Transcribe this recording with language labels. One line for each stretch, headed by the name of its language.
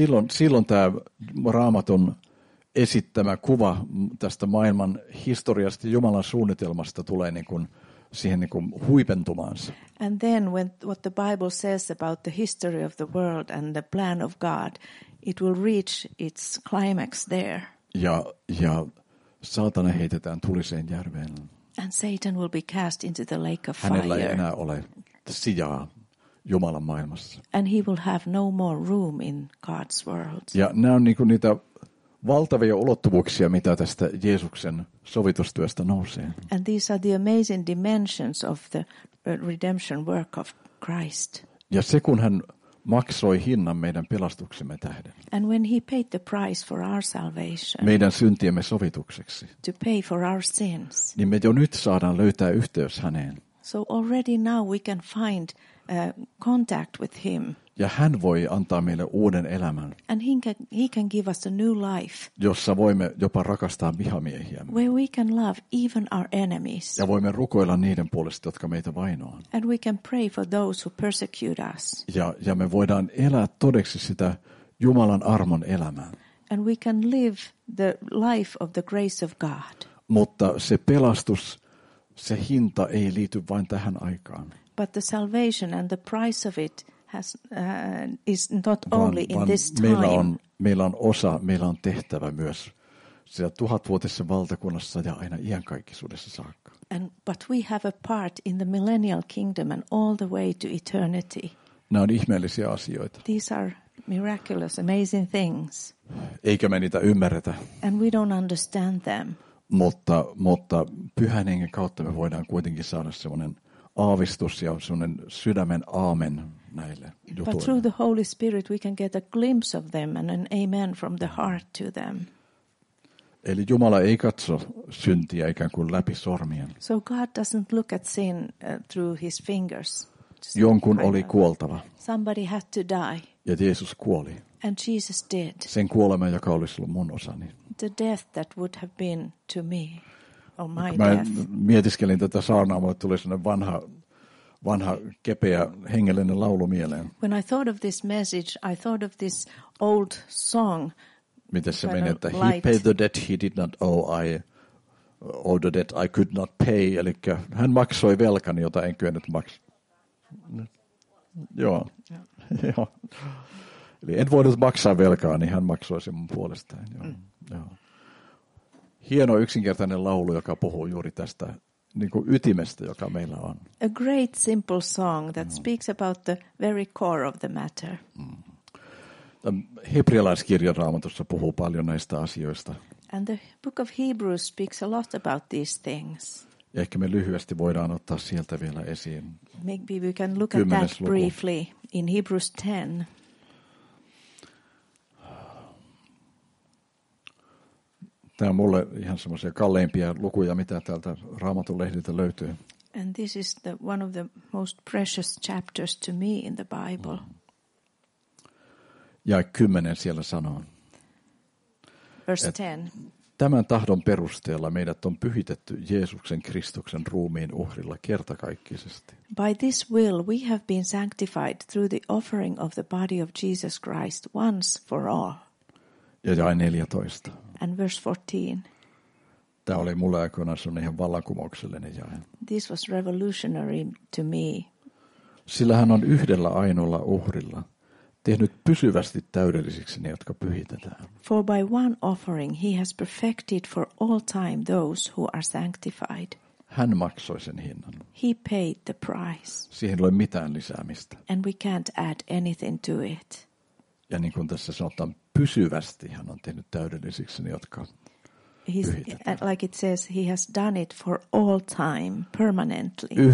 Finnish: Silloin tämä Raamatun esittämä kuva tästä maailman historiasta Jumalan suunnitelmasta tulee niin kuin siihen niin kuin huipentumaansa.
English: And then when what the Bible says about the history of the world and the plan of God, it will reach its climax there.
Finnish: Ja saatana heitetään tuliseen järveen.
English: And Satan will be cast into the lake of
Finnish: Hänellä
English: fire.
Finnish: Hänellä ei enää ole sijaa Jumalan maailmassa.
English: And he will have no more room in God's world.
Finnish: Ja nämä on niin kuin niitä valtavia ulottuvuuksia, mitä tästä Jeesuksen sovitustyöstä nousee.
English: And these are the amazing dimensions of the redemption work of Christ.
Finnish: Ja se, kun hän maksoi hinnan meidän pelastuksemme tähden.
English: And when he paid the price for our salvation.
Finnish: Meidän syntiemme sovitukseksi.
English: To pay for our sins.
Finnish: Niin me jo nyt saadaan löytää yhteys häneen.
English: So already now we can find contact with him.
Finnish: Ja hän voi antaa meille uuden elämän.
English: And he can give us a new life.
Finnish: Jossa voimme jopa rakastaa vihamiehiämme.
English: Where we can love even our enemies.
Finnish: Ja voimme rukoilla niiden puolesta, jotka meitä vainoaa.
English: And we can pray for those who persecute us.
Finnish: Ja me voidaan elää todeksi sitä Jumalan armon elämää.
English: And we can live the life of the grace of God.
Finnish: Mutta se pelastus, se hinta ei liity vain tähän aikaan.
English: But the salvation and the price of it is not only
Finnish: vaan
English: in this time.
Finnish: Meillä on osa, meillä on tehtävä myös siellä tuhatvuotisessa valtakunnassa ja aina iankaikkisuudessa saakka.
English: And but we have a part in the millennial kingdom and all the way to eternity.
Finnish: Nämä on ihmeellisiä asioita.
English: These are miraculous, amazing things.
Finnish: Eikä me niitä ymmärretä.
English: And we don't understand them.
Finnish: Mutta Pyhän Hengen kautta me voidaan kuitenkin saada semmoinen aavistus ja semmoinen sydämen aamen näille jutuille.
English: But through the Holy Spirit we can get a glimpse of them and an amen from the heart to them.
Finnish: Eli Jumala ei katso syntiä ikään kuin läpi sormien.
English: So God doesn't look at sin through his fingers.
Finnish: Jonkun oli kuoltava.
English: Somebody had to die.
Finnish: Ja Jeesus kuoli.
English: And Jesus did.
Finnish: Sen kuoleman, joka olisi ollut mun osani.
English: The death that would have been to me.
Finnish: Mä mietiskelin tätä saarnaa, mulle tuli sellainen vanha kepeä hengellinen laulu mieleen.
English: When I thought of this message, I thought of this old song.
Finnish: Miten se meni, että
English: he paid the debt he did not owe, I owe the debt I could not pay.
Finnish: Eli hän maksoi velkani, jota en kyennyt maksaa. Joo. Joo. Eli en voinut maksaa velkaa, niin hän maksoi sen mun puolestaan. Joo. Joo. Hieno yksinkertainen laulu, joka puhuu juuri tästä niin kuin ytimestä, joka meillä on.
English: A great simple song that speaks about the very core of the matter.
Finnish: Hebrealaiskirjan Raamatussa puhuu paljon näistä asioista.
English: And the book of Hebrews speaks a lot about these things.
Finnish: Ehkä me lyhyesti voidaan ottaa sieltä vielä esiin.
English: Maybe we can look at that briefly in Hebrews 10.
Finnish: Tämä on mulle ihan semmoisia kalleimpia lukuja, mitä täältä Raamatun lehdiltä löytyy.
English: And this is the one of the most precious chapters to me in the Bible.
Finnish: Ja 10 siellä sanoo.
English: Verse 10.
Finnish: Tämän tahdon perusteella meidät on pyhitetty Jeesuksen Kristuksen ruumiin uhrilla kertakaikkisesti.
English: By this will we have been sanctified through the offering of the body of Jesus Christ once for all.
Finnish: Ja jae 14.
English: And verse 14.
Finnish: Tämä oli mulle aikoinaan sun ihan vallankumouksellinen jae.
English: This was revolutionary to me.
Finnish: Sillä hän on yhdellä ainoalla uhrilla tehnyt pysyvästi täydellisiksi ne, jotka pyhitetään.
English: For by one offering he has perfected for all time those who are sanctified.
Finnish: Hän maksoi sen hinnan.
English: He paid the price.
Finnish: Siihen ei ole mitään lisäämistä.
English: And we can't add anything to it.
Finnish: Ja niin kuin tässä sanotaan, pysyvästi hän on tehnyt täydellisiksi ne, jotka pyhitetään.
English: Like it says, he has done it for all time, permanently.